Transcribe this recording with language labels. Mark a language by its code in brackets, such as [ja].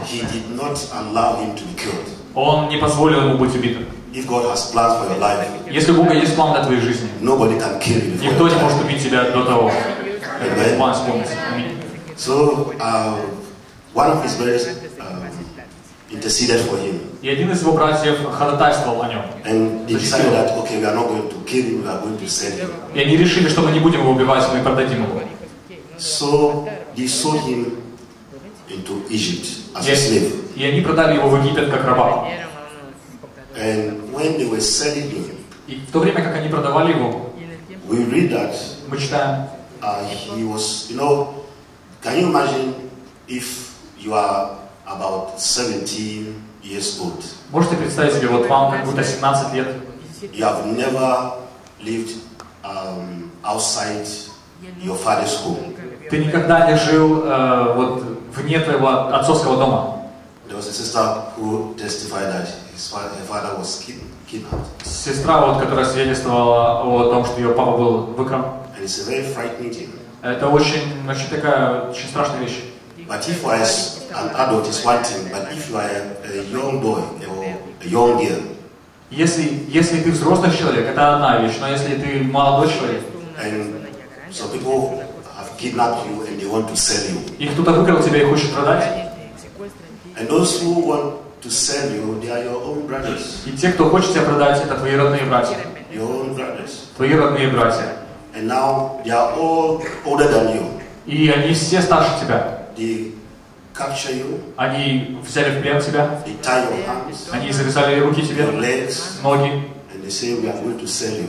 [en] He did not allow him to be killed. [ru] Он не позволил ему быть убитым. [en] If God has plans for your life. [ru] Если у Бога есть план для твоей жизни. [en] Nobody can kill you. [ru] Никто не может убить тебя до того. [en] Amen. So, one of his brothers interceded for him. [ru] И один из его братьев ходатайствовал о нем. [en] And they decided that, okay, we are not going to kill him, we are going to send him. [ru] И они решили, что мы не будем его убивать, мы продадим его. [en] So they sold him into Egypt as a slave. [ru] И они продали его в Египет как раба. [en] And when they were selling him, [ru] и в то время, как они продавали его, [en] we read that, [ru] мы читаем, [en] he was, you know, can you imagine if you are about 17 years old. [ru] Можете представить себе, вот вам как будто 17 лет. [en] You have never lived outside your father's home. [ru] Ты никогда не жил вот вне твоего отцовского дома. [en] There was a sister who testified that his father, her father was kidnapped. [ru] Сестра вот, которая свидетельствовала о том, что ее папа был выкран. [en] And it's a very frightening thing. [ru] Это очень, значит, такая очень страшная вещь. [en] But if I was an adult, it's one thing. But if you are a young boy or a young girl, [ru] если ты взрослый человек, это одна вещь. Но если ты молодой человек, [en] and some people have kidnapped you and they want to sell you. [ru] И кто-то выкрал тебя и хочет продать? [en] And those who want to sell you, they are your own brothers. [ru] И те, кто хочет тебя продать, это твои родные братья. [en] Your own brothers. [ru] Твои родные братья. [en] And now they are all older than you. [ru] И они все старше тебя. [en] They capture you. [ru] Они взяли в плен тебя. [en] They tie your hands. [ru] Они завязали руки тебе. [en] Your legs. [ru] Ноги. [en] And they say we are going to sell you.